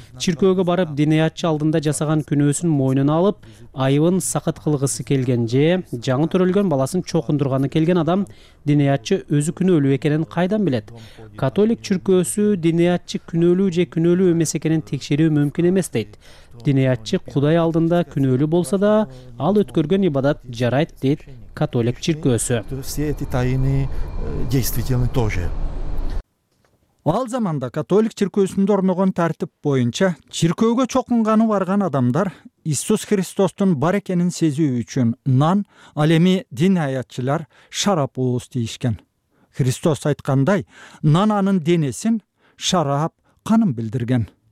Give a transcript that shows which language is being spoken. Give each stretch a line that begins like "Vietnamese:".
Kyrgyz: Чиркөөгө барып, динаятчы алдында жасаган күнөөсүн мойнуна алып, айыбын сакыт кылгысы келген же жаңы төрөлгөн баласын чокундурганы келген адам динаятчы өзү күнөөлүү экенин кайдан билет? Католик чиркөөсү динаятчы күнөөлүү же күнөөлүү эмес экенин текшерүү мүмкүн эмес дейт. Динаятчы Кудай алдында күнөөлүү болсо да, ал өткөргөн ибадат жарайт дейт католик чиркөөсү.
Russian: Все эти тайны действительны тоже.
Kyrgyz: Ал заманда католик чиркөөсүндө орногон тартип боюнча чиркөөгө чокунганы барган адамдар Иисус Христостун бар экенин сезүү үчүн нан, ал эми динаятчылар шарап ооз тийишкен. Христос айткандай, нан анын денесин, шарап канын билдирген.